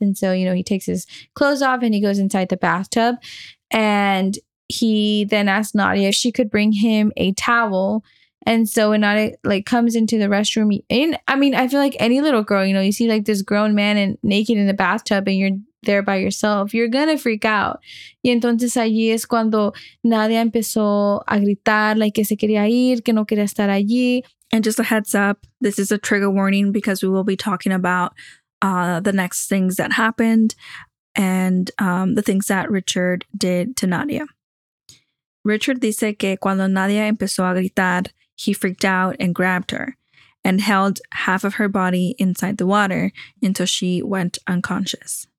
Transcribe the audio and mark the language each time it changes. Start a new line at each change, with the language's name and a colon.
English: And so, you know, he takes his clothes off and he goes inside the bathtub. And he then asked Nadia if she could bring him a towel. And so when Nadia like comes into the restroom, I feel like any little girl, you know, you see like this grown man and naked in the bathtub and you're there by yourself, you're gonna freak out.
Spanish: Y entonces allí es cuando Nadia empezó a gritar, like, que se quería ir, que no quería estar allí.
English: And just a heads up, this is a trigger warning because we will be talking about the next things that happened and the things that Richard did to Nadia.
Spanish: Richard dice que cuando Nadia empezó a gritar,
English: he freaked out and grabbed her and held half of her body inside the water until she went unconscious.